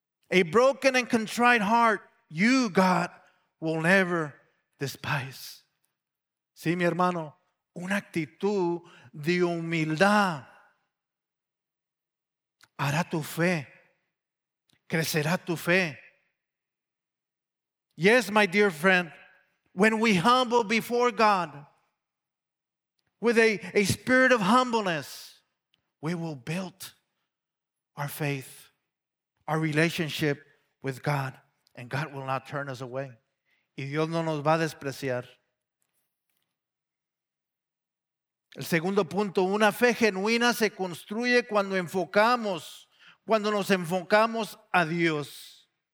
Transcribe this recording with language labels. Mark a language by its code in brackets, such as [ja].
[en] A broken and contrite heart, you, God, will never despise. [es] Sí, mi hermano, una actitud de humildad hará tu fe. Crecerá tu fe. [en] Yes, my dear friend, when we humble before God with a spirit of humbleness, we will build our faith, our relationship with God, and God will not turn us away. [es] Y Dios no nos va a despreciar. El segundo punto, una fe genuina se construye cuando nos enfocamos a Dios.